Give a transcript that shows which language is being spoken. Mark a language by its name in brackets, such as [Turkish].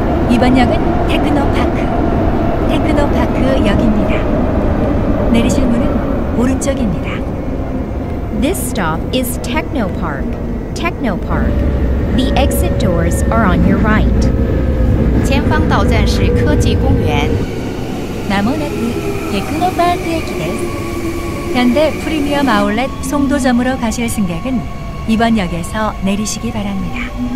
[Korean] 이번 역은 테크노파크, 테크노파크 역입니다. 내리실 문은 오른쪽입니다. [English] This stop is Technopark. Technopark. The exit doors are on your right. [Chinese] 前方到站是科技公园. [Japanese] 나모나트 테크노파크 駅です. [Korean] 현대 프리미엄 아울렛 송도점으로 가실 승객은 이번 역에서 내리시기 바랍니다.